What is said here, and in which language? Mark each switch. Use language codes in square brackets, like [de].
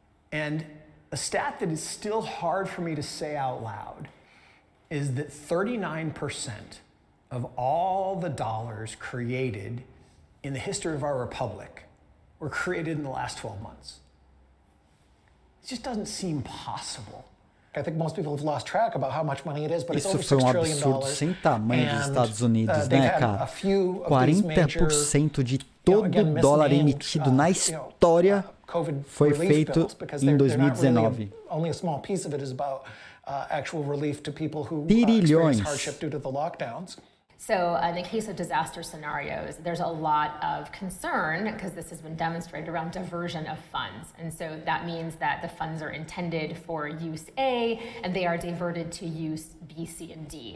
[en] And a stat that is still hard for me to say out loud is that 39% of all the dollars created in the history of our republic were created in the last 12 months. It just doesn't seem possible. I think most people have lost track about how much money it is, but [pt] isso [en] it's over $6 trillion. [pt] Isso foi um absurdo sem tamanho dos Estados Unidos, [en] and, [pt] né, cara? 40% de todo o dólar emitido na história foi feito em 2019. [en] Really, only a small piece of it is about actual relief to people who experience hardship due to the lockdowns. So in the case of disaster scenarios, there's a lot of concern because this has been demonstrated around diversion of funds. And so that means that the funds are intended for use A and they are diverted to use B, C, and D.